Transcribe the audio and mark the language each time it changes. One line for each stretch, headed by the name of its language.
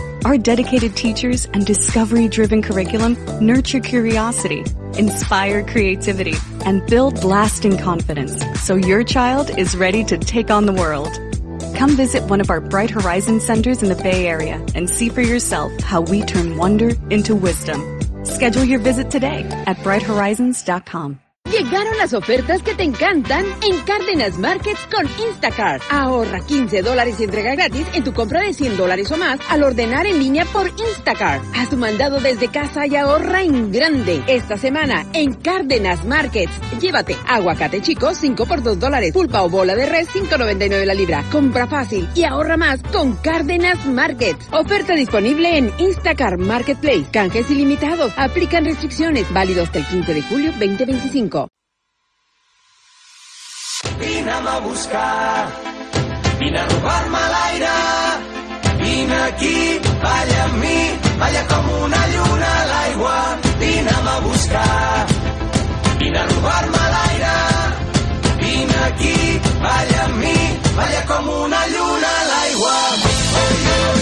English: Our dedicated teachers and discovery-driven curriculum nurture curiosity, inspire creativity, and build lasting confidence so your child is ready to take on the world. Come visit one of our Bright Horizon centers in the Bay Area and see for yourself how we turn wonder into wisdom. Schedule your visit today at brighthorizons.com.
Spanish: Llegaron las ofertas que te encantan en Cárdenas Markets con Instacart. Ahorra $15 y entrega gratis en tu compra de $100 o más al ordenar en línea por Instacart. Haz tu mandado desde casa y ahorra en grande. Esta semana en Cárdenas Markets. Llévate aguacate chico 5 por $2. Pulpa o bola de res 5.99 la libra. Compra fácil y ahorra más con Cárdenas Markets. Oferta disponible en Instacart Marketplace. Canjes ilimitados. Aplican restricciones. Válido hasta el 15 de julio 2025.
Catalan: Vine a buscar, vine a robar-me l'aire, vine aquí, balla amb mi, balla com una lluna a l'aigua, vine a buscar, vine a robar-me l'aire, vine aquí, balla amb mi, balla com una lluna a l'aigua.